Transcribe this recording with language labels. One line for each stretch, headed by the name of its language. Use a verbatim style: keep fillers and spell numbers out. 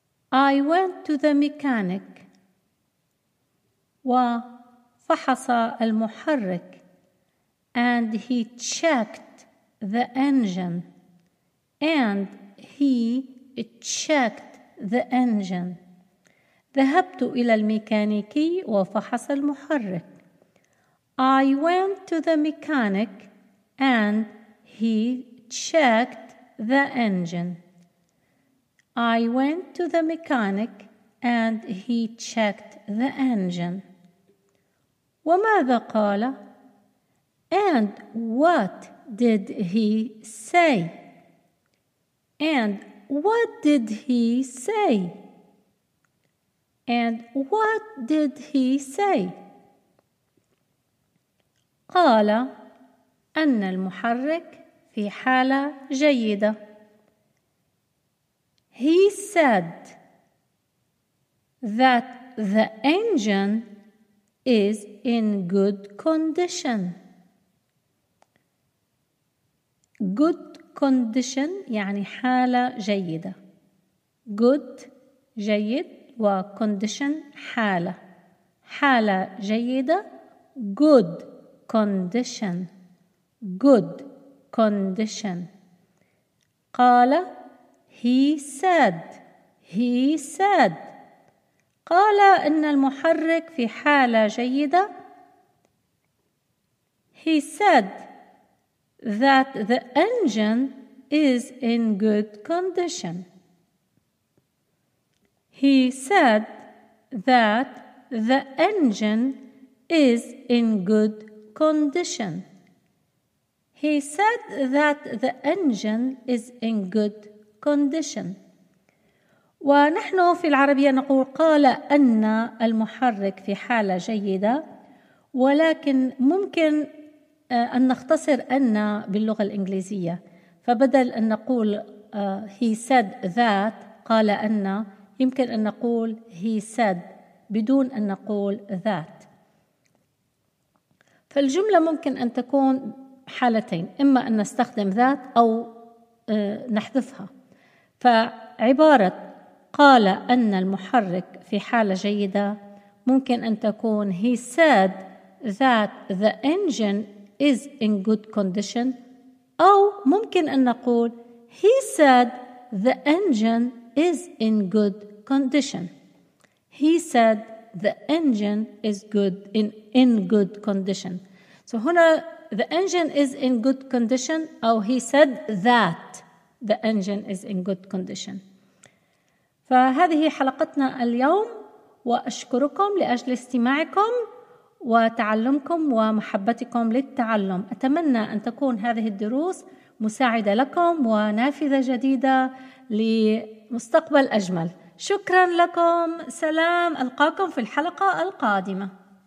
English: I went to the mechanic.
Arabic: وفحص المحرك.
English: And he checked the engine. And he checked the engine.
Arabic: ذهبت إلى الميكانيكي وفحص المحرك.
English: I went to the mechanic and he checked the engine. I went to the mechanic and he checked the engine.
Arabic: وماذا قال؟
English: And what did he say? And what did he say? And what did he say?
Arabic: قال أن المحرك في حالة جيدة.
English: He said that the engine is in good condition. Good condition
Arabic: يعني حالة جيدة. Good جيد و condition حالة. حالة جيدة
English: good condition. Good condition.
Arabic: قال
English: he said he said
Arabic: قال إن المحرك في حالة جيدة.
English: He said that the engine is in good condition. He said that the engine is in good condition. He said that the engine is in good condition.
Arabic: ونحن في العربية نقول قال أن المحرك في حالة جيدة، ولكن ممكن أن نختصر أن باللغة الإنجليزية، فبدل أن نقول
English: he said that
Arabic: قال أن، يمكن أن نقول
English: he said
Arabic: بدون أن نقول that. فالجملة ممكن أن تكون حالتين، إما أن نستخدم that أو نحذفها. فعبارة قال أن المحرك في حالة جيدة ممكن أن تكون
English: he said that the engine is in good condition،
Arabic: أو ممكن أن نقول
English: he said the engine is in good condition. He said the engine is good in in good condition. So
Arabic: هنا
English: the engine is in good condition،
Arabic: أو
English: he said that the engine is in good condition.
Arabic: فهذه حلقتنا اليوم، وأشكركم لأجل استماعكم وتعلمكم ومحبتكم للتعلم. أتمنى أن تكون هذه الدروس مساعدة لكم ونافذة جديدة لمستقبل أجمل. شكرا لكم، سلام، ألقاكم في الحلقة القادمة.